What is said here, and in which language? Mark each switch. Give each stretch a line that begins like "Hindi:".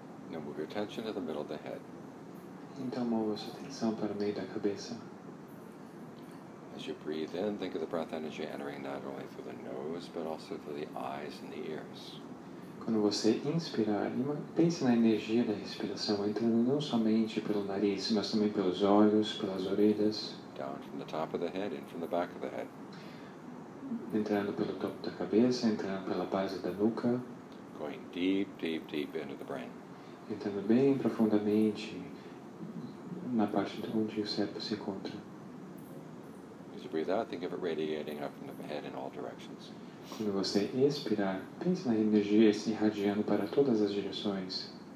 English: Move your attention to the middle of the head.
Portuguese: Então, move sua atenção para o meio da cabeça.
English: As you breathe in, think of the breath energy entering not only through the nose, but also through the eyes and the ears.
Portuguese: Quando você inspirar, pense na energia da respiração entrando não somente pelo nariz, mas também pelos olhos, pelas orelhas.
English: Down from the top of the head, in from the back of the head.
Portuguese: Entrando pelo topo da cabeça, entrando pela base da nuca.
English: Going deep, deep, deep into the brain.
Portuguese: Entrando bem profundamente na parte de onde o cérebro se encontra.
English: As you breathe out, think of it radiating up from the head in all directions.
Portuguese: Quando você expirar, pense na energia se irradiando para todas as direções.